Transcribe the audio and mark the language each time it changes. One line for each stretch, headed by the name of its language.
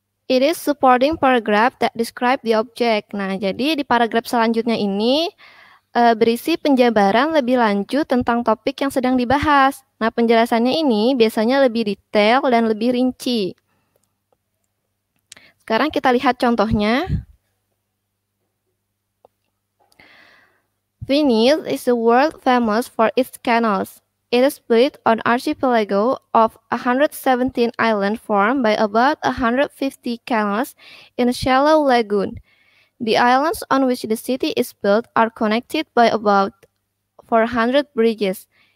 English: It is supporting paragraph that describe the object.
Indonesian: Nah, jadi di paragraf selanjutnya ini berisi penjabaran lebih lanjut tentang topik yang sedang dibahas. Nah, penjelasannya ini biasanya lebih detail dan lebih rinci. Sekarang kita lihat contohnya.
English: Venice is the world famous for its canals. It is split on archipelago of 117 islands formed by about 150 canals in a shallow lagoon. The islands on which the city is built are connected by about 400 bridges.